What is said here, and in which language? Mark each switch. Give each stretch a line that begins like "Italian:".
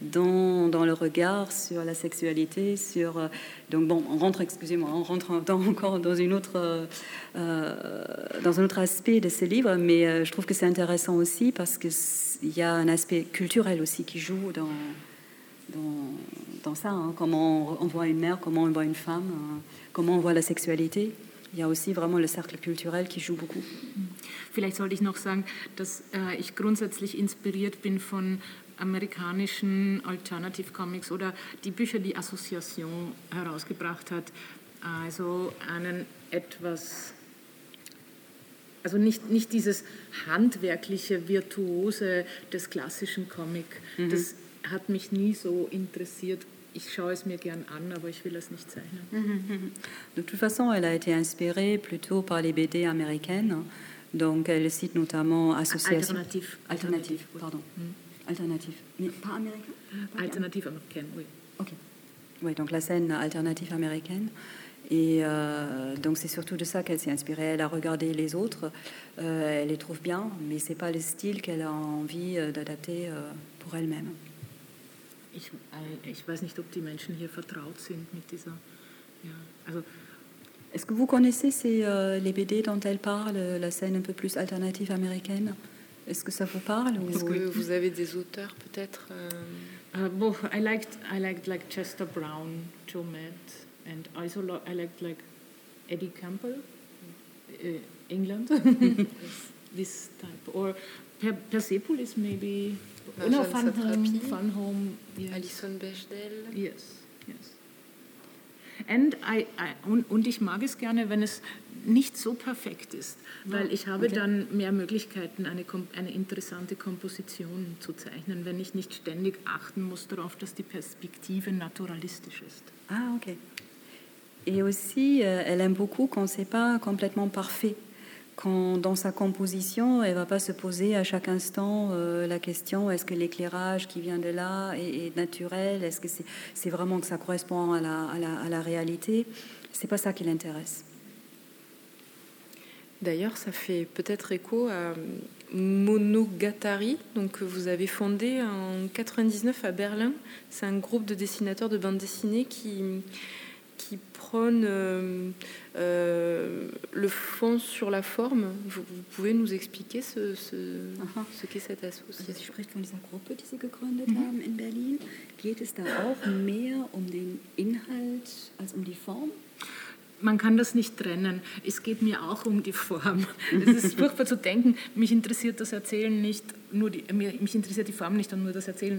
French: Dans le regard sur la sexualité, sur dans un autre aspect de ce livre, mais je trouve que c'est intéressant aussi parce que il y a un aspect culturel aussi qui joue dans ça, hein, comment on voit une mère, comment on voit une femme, comment on voit la sexualité. Il y a aussi vraiment le cercle culturel qui joue beaucoup.
German: Vielleicht sollte ich noch sagen, dass ich grundsätzlich inspiriert bin von amerikanischen Alternative Comics oder die Bücher, die Association herausgebracht hat. Also einen etwas, also nicht dieses handwerkliche, virtuose des klassischen Comic. Das hat mich nie so interessiert. Ich schaue es mir gern an, aber ich will es nicht zeichnen.
French: De toute façon, elle a été inspirée plutôt par les BD américaines. Donc elle cite notamment Association. Alternative, pardon. Mm. Alternative, mais pas américain. Alternative américaine, oui. Ok. Oui, donc la scène alternative américaine. Et donc c'est surtout de ça qu'elle s'est inspirée. Elle a regardé les autres. Elle les trouve bien, mais c'est pas le style qu'elle a envie d'adapter pour elle-même.
German: Ich weiß nicht, ob die Menschen hier vertraut sind mit dieser. Ja, also.
French: Est-ce que vous connaissez ces les BD dont elle parle, la scène un peu plus alternative américaine? Est-ce que ça vous parle? Est-ce que vous avez des auteurs, peut-être?
English: I liked Chester Brown, Joe Matt, and also I liked like Eddie Campbell, England, this type, or Persepolis maybe. Oh, no, Fun Home. Yes. Alison Bechdel. Yes.
German: And und ich mag es gerne, wenn es nicht so perfekt ist, weil ich habe dann mehr Möglichkeiten, eine interessante Komposition zu zeichnen, wenn ich nicht ständig achten muss darauf, dass die Perspektive naturalistisch ist.
French: Ah, okay. Et aussi, elle aime beaucoup quand c'est pas complètement parfait. quand dans sa composition, elle ne va pas se poser à chaque instant la question est-ce que l'éclairage qui vient de là est naturel, est-ce que c'est vraiment que ça correspond à la réalité. Ce n'est pas ça qui l'intéresse. D'ailleurs, ça fait peut-être écho à Monogatari, donc, que vous avez fondé en 1999 à Berlin. C'est un groupe de dessinateurs de bandes dessinées qui prône le fond sur la forme. Vous pouvez nous expliquer ce qu'est cette association.
German: Je spreche von dieser Gruppe, die Sie gegründet haben in Berlin. Geht es da auch mehr um den Inhalt als um die Form? Man kann das nicht trennen. Es geht mir auch um die Form. Es ist furchtbar zu denken, mich interessiert das Erzählen nicht, mich interessiert die Form nicht und nur das Erzählen.